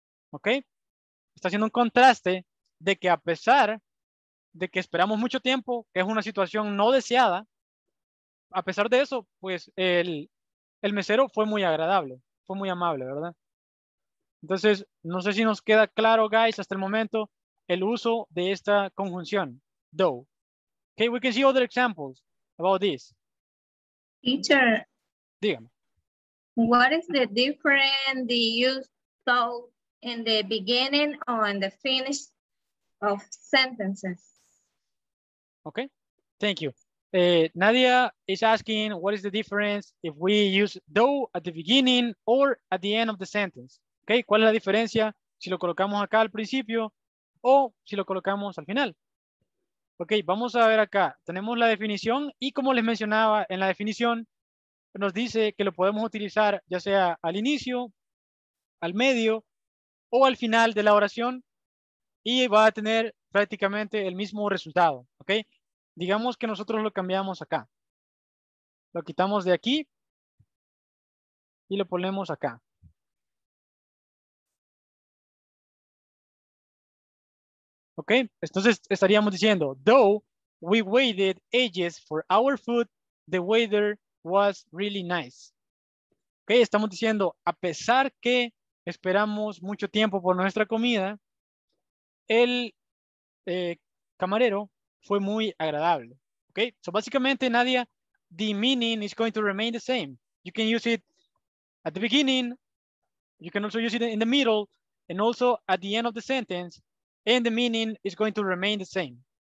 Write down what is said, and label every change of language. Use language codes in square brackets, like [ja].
[es] ¿Ok? Está haciendo un contraste de que a pesar de que esperamos mucho tiempo, que es una situación no deseada, a pesar de eso, pues el mesero fue muy agradable, fue muy amable, ¿verdad? Entonces, no sé si nos queda claro, guys, hasta el momento, el uso de esta conjunción, though. [en] Okay, we can see other examples about this. Teacher. [es] Dígame. [en] What is the difference the use though in the beginning or in the finish of sentences? Okay, thank you. Nadia is asking what is the difference if we use though at the beginning or at the end of the sentence. [es] Okay, ¿cuál es la diferencia si lo colocamos acá al principio o si lo colocamos al final? Okay, vamos a ver acá. Tenemos la definición y como les mencionaba en la definición, nos dice que lo podemos utilizar ya sea al inicio, al medio o al final de la oración y va a tener prácticamente el mismo resultado, ¿ok? Digamos que nosotros lo cambiamos acá. Lo quitamos de aquí y lo ponemos acá. ¿Ok? Entonces estaríamos diciendo, [en] though we waited ages for our food, the waiter was really nice. ¿Ok? [es] Estamos diciendo, a pesar que esperamos mucho tiempo por nuestra comida, el camarero fue muy agradable. ¿Ok? [en] So [es] básicamente, [en] Nadia, the meaning is going to remain the same. You can use it at the beginning, you can also use it in the middle, and also at the end of the sentence, and the meaning is going to remain the same.